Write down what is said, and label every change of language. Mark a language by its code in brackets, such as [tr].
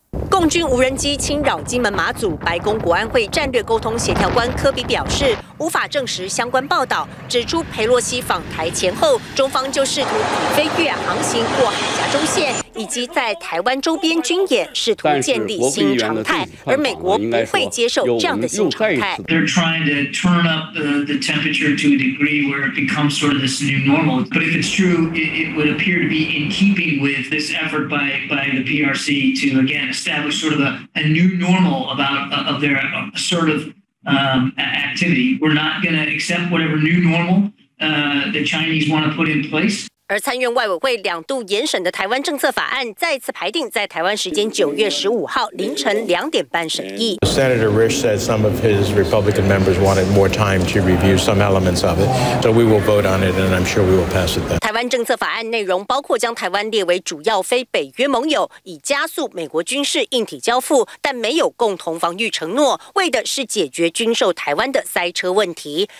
[zh] 共军无人机侵扰金门马祖，白宫国安会战略沟通协调官科比表示，无法证实相关报道，指出佩洛西访台前后，中方就试图以飞越航行过海峡中线，以及在台湾周边军演，试图建立新常态，而美国不会接受这样的新常态。 [en] They're trying to turn up the temperature to a degree where it becomes sort of this new normal. But if it's true, it would appear to be in keeping with this effort by the PRC to again establish sort of a new normal of their assertive activity. We're not going to accept whatever new normal the Chinese want to put in place. [zh] 而参院外委会两度延审的台湾政策法案，再次排定在台湾时间9月15号凌晨2:30审议。 [en] Senator Risch said some of his Republican members wanted more time to review some elements of it, so we will vote on it, and I'm sure we will pass it then. [zh] 台湾政策法案内容包括将台湾列为主要非北约盟友，以加速美国军事硬体交付，但没有共同防御承诺，为的是解决军售台湾的塞车问题。